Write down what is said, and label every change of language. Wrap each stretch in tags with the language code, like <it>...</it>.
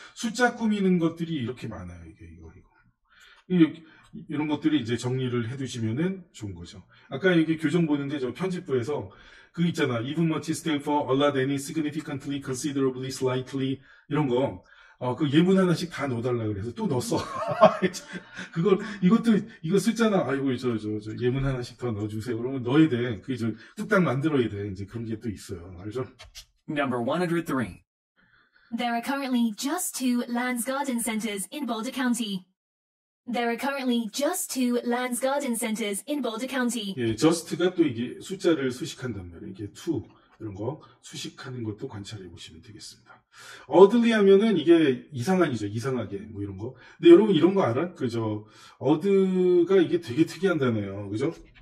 <ko>숫자 꾸미는 것들이 이렇게 많아요. 이거. 이런 것들이 이제 정리를 해 두시면은 좋은 거죠. 아까 여기 교정 보는데 저 편집부에서 그 있잖아.</ko> <en>Even much is therefore a lot any significantly, considerably, slightly 이런 거.</en> <ko>그 예문 하나씩 다 넣어달라 그래서 또 넣었어. 그걸 이것도 이거 쓰잖아. 아이고 저 예문 하나씩 더 넣어주세요. 그러면 넣어야 돼. 그게 좀 뚝딱 만들어야 돼. 이제 그런 게 또 있어요. 알죠?</ko> <en>Number 103. There are currently just two Lands Garden Centers in Boulder County. There are currently just two Lands Garden Centers in Boulder County.</en> <ko>예, just가 또 이게 숫자를 수식한단 말이에요. 이게 two 이런 거 수식하는 것도 관찰해 보시면 되겠습니다. Oddly 하면은 이게 이상한이죠. 이상하게 뭐 이런 거. 근데 여러분 이런 거 알아? 그죠? Odd가 이게 되게 특이한 단어예요. 그죠?</ko>